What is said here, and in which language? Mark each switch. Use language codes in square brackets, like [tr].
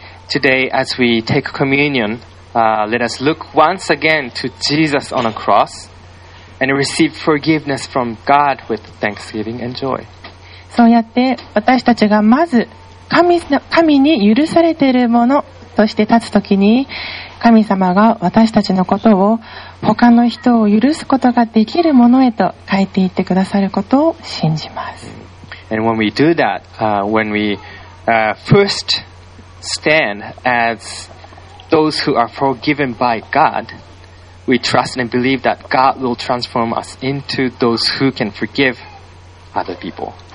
[en] Today as we take communion, let us look once again to Jesus on a cross and receive forgiveness from God with thanksgiving and joy. [ja] そうやって私たちがまず 神に許されているものそして立つときに、神様が私たちのことを他の人を許すことができるものへと変えていってくださることを信じます。 [en] And when we do that, when we first stand as those who are forgiven by God, we trust and believe that God will transform us into those who can forgive other people.